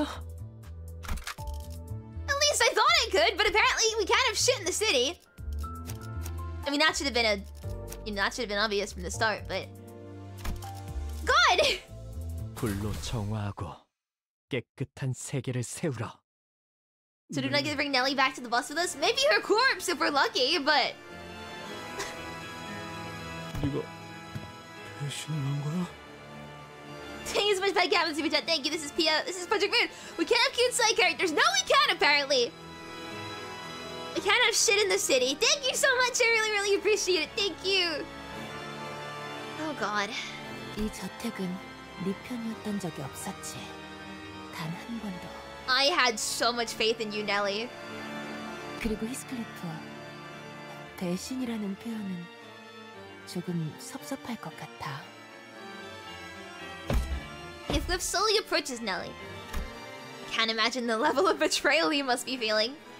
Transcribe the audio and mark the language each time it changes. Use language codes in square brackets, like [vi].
[en] At least I thought I could, but apparently we can't have shit in the city. I mean, that should have been a... You know, that should have been obvious from the start, but... God! [ko] 불로 정화하고 깨끗한 세계를 세우라. [en] So do we get to bring Nelly back to the bus with us? Maybe her corpse if we're lucky, but... [ko] 네가 배신을 한 거야? [en] Thank you so much, Pat Gavin, Super Chat. Thank you, this is Pia. This is Project Moon. We can't have cute side characters. No, we can't, apparently. We can't have shit in the city. Thank you so much. I really, really appreciate it. Thank you. Oh, God. [ko] 이 저택은 네 편이었던 적이 없었지. 단 한 번도. [en] I had so much faith in you, Nelly. [ko] 그리고 히스클리프, 대신이라는 표현은 조금 섭섭할 것 같아. [en] Heathcliff slowly approaches Nelly. I can't imagine the level of betrayal he must be feeling.